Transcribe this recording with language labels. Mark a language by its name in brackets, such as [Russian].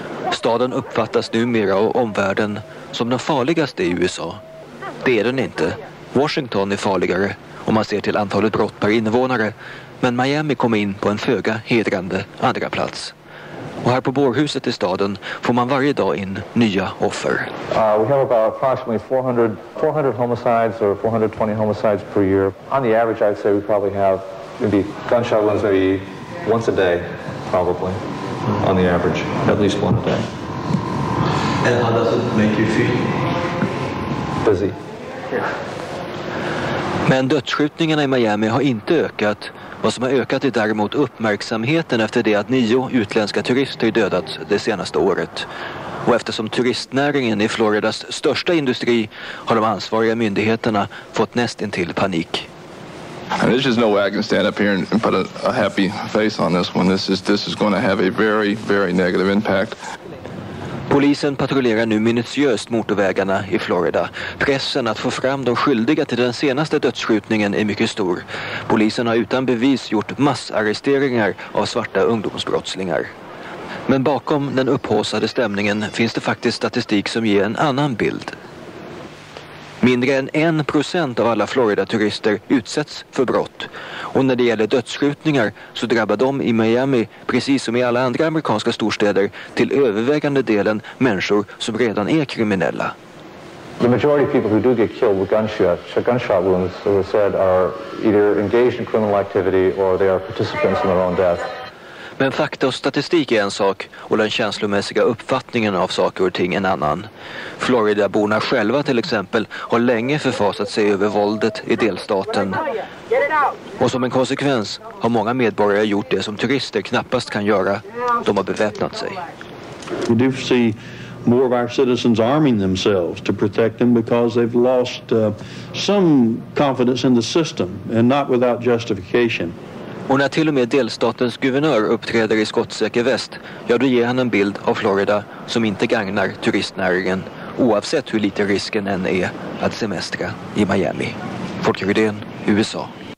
[Swedish] Staden uppfattas numera av omvärlden som den farligaste i USA. Det är den inte. Washington är farligare om man ser till antalet brott per invånare. Men Miami kom in på en föga hedrande andra plats. Och här på bårhuset i staden får man varje dag in nya offer. [English] We have about approximately 400 homicides or 420 homicides per year. On the average I'd say we probably have maybe gunshot wounds maybe once a day probably. On the average, at least one a day. And how does it make you feel? Busy. Yeah. [Swedish] Men dödsskjutningarna i Miami har inte ökat. Vad som har ökat är däremot uppmärksamheten efter det att 9 utländska turister dödats det senaste året. Och eftersom turistnäringen är Floridas största industri har de ansvariga myndigheterna fått nästintill panik. [English] There's just no way I can stand up here and put a happy face on this one. This is going to have a very, very negative impact. [Swedish] Polisen patrullerar nu minutiöst motorvägarna i Florida. Pressen att få fram de skyldiga till den senaste dödsskjutningen är mycket stor. Polisen har utan bevis gjort massarresteringar av svarta ungdomsbrottslingar. Men bakom den upphåsade stämningen finns det faktiskt statistik som ger en annan bild. Mindre än 1% av alla Florida-turister utsätts för brott. Och när det gäller dödsskjutningar så drabbar de i Miami, precis som i alla andra amerikanska storstäder, till övervägande delen människor som redan är kriminella. [English] The majority of people who do get killed with gunshot wounds, as I said, are either engaged in criminal activity or they are participants in their own death. [Swedish] Men fakta och statistik är en sak och den känslomässiga uppfattningen av saker och ting en annan. Floridaborna själva till exempel har länge förfasat sig över våldet i delstaten. Och som en konsekvens har många medborgare gjort det som turister knappast kan göra. De har beväpnat sig. [English] We do see more of our citizens arming themselves to protect them because they've lost some confidence in the system and not without justification. [Swedish] Och när till och med delstatens guvernör uppträder i skottsäker väst, ja då ger han en bild av Florida som inte gagnar turistnäringen, oavsett hur lite risken än är att semestra i Miami. Folke Rydén, USA.